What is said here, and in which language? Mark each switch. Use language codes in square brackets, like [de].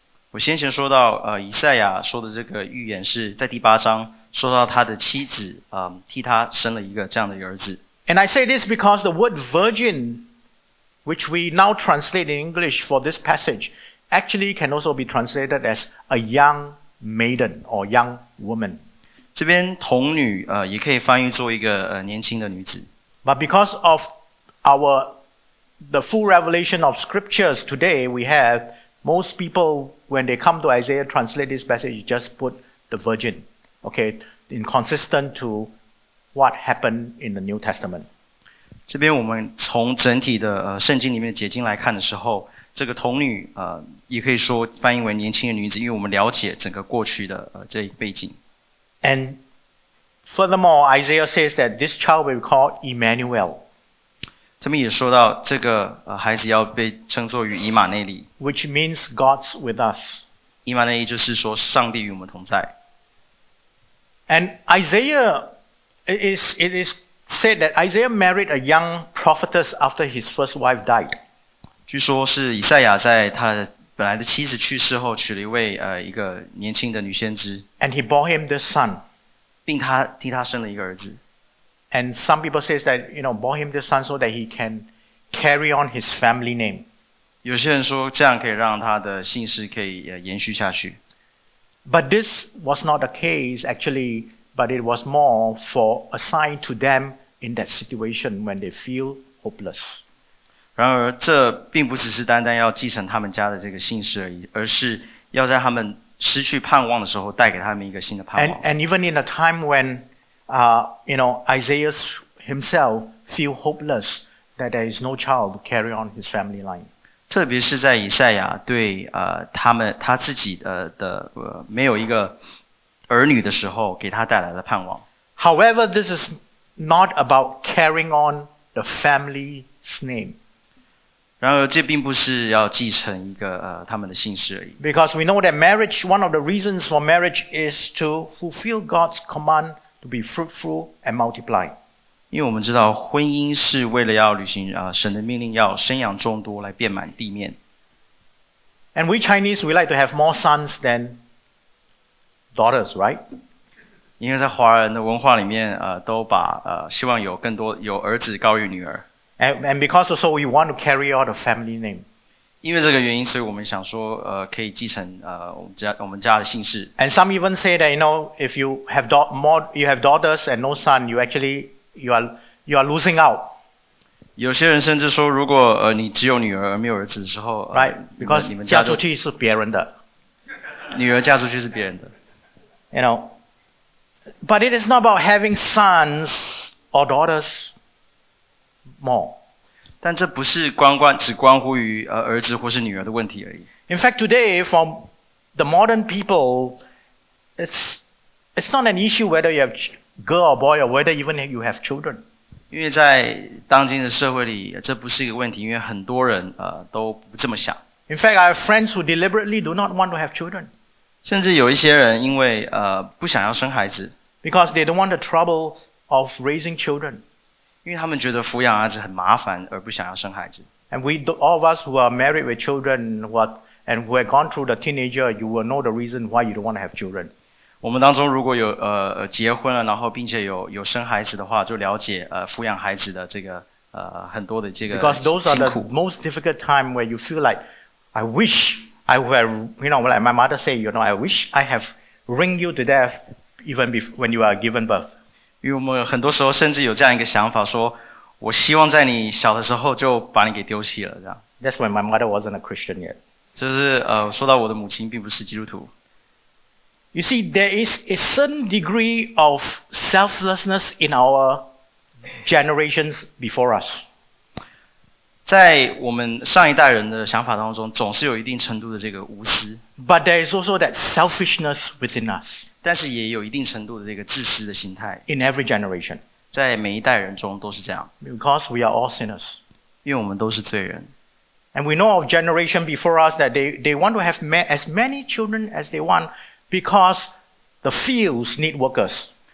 [zh] 我先前说到以赛亚说的这个预言是在第八章说到他的妻子替他生了一个这样的儿子。 [en] And I say this because the word virgin, which we now translate in English for this passage, actually can also be translated as a young maiden or young woman. [zh] 这边童女也可以翻译做一个年轻的女子。 [en] But because of the full revelation of scriptures today, we have most people when they come to Isaiah translate this passage, just put the virgin, okay, inconsistent to what happened in the New Testament. [zh] 这边我们从整体的圣经里面的解经来看的时候，这个童女也可以说翻译为年轻的女子，因为我们了解整个过去的这一背景。 [en] And furthermore, Isaiah says that this child will be called Emmanuel. [zh] 这边也说到这个孩子要被称作于以马内利。 [en] Which means God's with us. [zh] 以马内利就是说上帝与我们同在。 [en] And Isaiah, it is said that Isaiah married a young prophetess after his first wife died. [zh] 据说是以赛亚在他的本来的妻子去世后娶了一位一个年轻的女先知。 [en] And he bore him this son. [zh] 并他替他生了一个儿子。 [en] And some people say that, you know, bore him this son so that he can carry on his family name. [zh] 有些人说这样可以让他的姓氏可以延续下去。 [en] But this was not the case actually, but it was more for a sign to them in that situation when they feel hopeless. [zh] 然而这并不只是单单要继承他们家的这个姓氏而已，而是要在他们失去盼望的时候带给他们一个新的盼望。 [en] And even in a time when, you know, Isaiah himself feel hopeless that there is no child to carry on his family line. [zh] 特别是在以赛亚对他自己没有一个儿女的时候给他带来了盼望。 [en] However, this is not about carrying on the family's name. [zh] 然而这并不是要继承一个他们的姓氏而已。 [en] Because we know that marriage, one of the reasons for marriage is to fulfill God's command to be fruitful and multiply. [zh] 因为我们知道婚姻是为了要履行神的命令要生养众多来遍满地面。 [en] And we Chinese, we like to have more sons than daughters, right? [zh] 因为在华人的文化里面都把希望有更多有儿子高于女儿。 [en] And because also we want to carry out a family name. [zh] 因为这个原因，所以我们想说，可以继承我们家的姓氏。 [en] And some even say that you know, if you have you have daughters and no son, you are losing out. [zh] 有些人甚至说，如果你只有女儿而没有儿子的时候 [en] ，Right? Because [zh] 你们嫁出去是别人的。女儿嫁出去是别人的。 [en] You know, but it is not about having sons or daughters. More. [zh] 但这不是只关乎于儿子或是女儿的问题而已。 [en] In fact, today, for the modern people, it's not an issue whether you have girl or boy or whether even you have children. [zh] 因为在当今的社会里，这不是一个问题，因为很多人都不这么想。 [en] In fact, I have friends who deliberately do not want to have children. [zh] 甚至有一些人因为不想要生孩子。 [en] Because they don't want the trouble of raising children. [zh] 因为他们觉得抚养儿子很麻烦，而不想要生孩子。 [en] And we all of us who are married with children, and who have gone through the teenager, you will know the reason why you don't want to have children. [zh] 我们当中如果有结婚了，然后并且有生孩子的话，就了解抚养孩子的这个很多的这个辛苦。 [en] Because those are the most difficult time where you feel like I wish I were, you know, like my mother say, you know, I wish I have ring you to death even when you are given birth. [zh] 因为我们很多时候甚至有这样一个想法说我希望在你小的时候就把你给丢弃了这样。 [en] That's when my mother wasn't a Christian yet. [zh] 就是说到我的母亲并不是基督徒。 [en] You see, there is a certain degree of selflessness in our generations before us. [zh] 在我们上一代人的想法当中，总是有一定程度的这个无私。 [en] But there is also that selfishness within us. [zh] 但是也有一定程度的这个自私的心态。 [en] In every generation. [zh] 在每一代人中都是这样。 [en] Because we are all sinners. [zh] 因为我们都是罪人。 [en] And we know of generation before us that they want to have as many children as they want because the fields need workers.